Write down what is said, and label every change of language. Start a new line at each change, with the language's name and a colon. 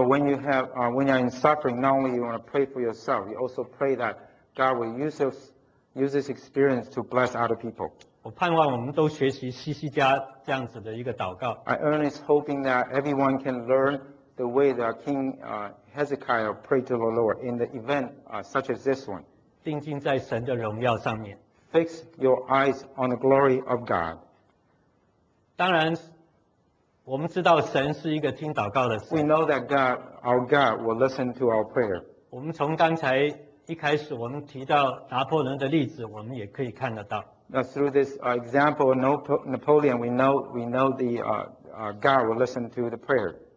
English: when you have, when you're in suffering, not only you want to pray for yourself, you also pray that God will use this experience to bless other people.
Chinese: 我盼望我们都学习西西家这样子的一个祷告。
English: I earnest hoping that everyone can learn the way that King Hezekiah prayed to the Lord in the event such as this one.
Chinese: 定睛在神的荣耀上面。
English: Fix your eyes on the glory of God.
Chinese: 当然，我们知道神是一个听祷告的神。
English: We know that God, our God, will listen to our prayer.
Chinese: 我们从刚才一开始我们提到拿破仑的例子，我们也可以看得到。
English: Through this example of Napoleon, we know the God will listen to the prayer.